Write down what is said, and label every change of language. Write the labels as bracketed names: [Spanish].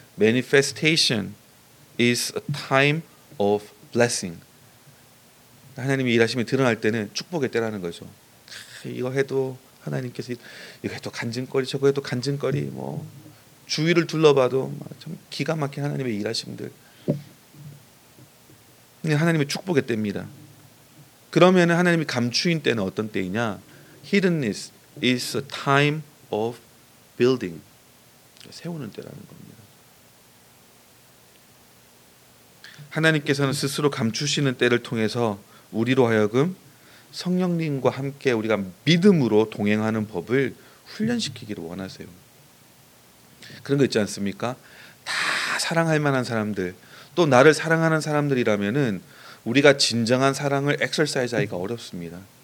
[English] Manifestation is a time of blessing. [Korean] 하나님이 일하심이 드러날 때는 축복의 때라는 거죠. 이거 해도 하나님께서 이거 해도 간증거리, 저거 해도 간증거리, 뭐 주위를 둘러봐도 참 기가 막힌 하나님의 일하심들. 하나님의 축복의 때입니다. 그러면은 하나님이 감추인 때는 어떤 때이냐? [English] Hiddenness is a time of building. [Korean] 세우는 때라는 겁니다. 하나님께서는 스스로 감추시는 때를 통해서 우리로 하여금 성령님과 함께 우리가 믿음으로 동행하는 법을 훈련시키기를 원하세요. 그런 거 있지 않습니까? 다 사랑할 만한 사람들, 또 나를 사랑하는 사람들이라면은 우리가 진정한 사랑을 엑서사이즈하기가 어렵습니다.